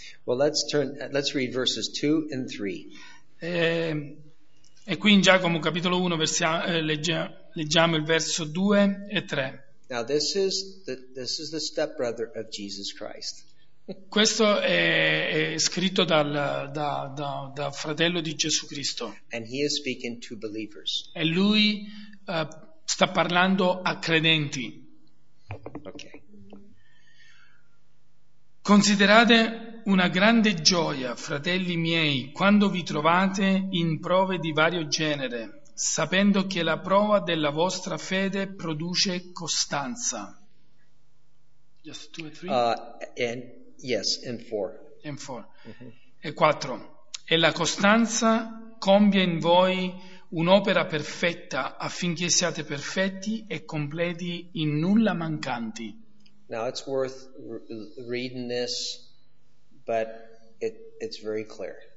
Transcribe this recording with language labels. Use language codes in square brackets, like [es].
[en] Well, let's read verses 2 and 3. [it] E qui in Giacomo capitolo 1 leggiamo il verso 2 e 3. [en] Now this is the stepbrother of Jesus Christ. [it] Questo è scritto dal fratello di Gesù Cristo. [en] And he is speaking to believers. [it] E lui sta parlando a credenti. [en] Okay. [it] Considerate una grande gioia, fratelli miei, quando vi trovate in prove di vario genere, sapendo che la prova della vostra fede produce costanza. [en] Just 2 and 3. Yes, in 4. In 4. Mm-hmm. [it] E 4. E la costanza compia in voi un'opera perfetta affinché siate perfetti e completi in nulla mancanti. [en] Now it's worth reading this, but it's very clear.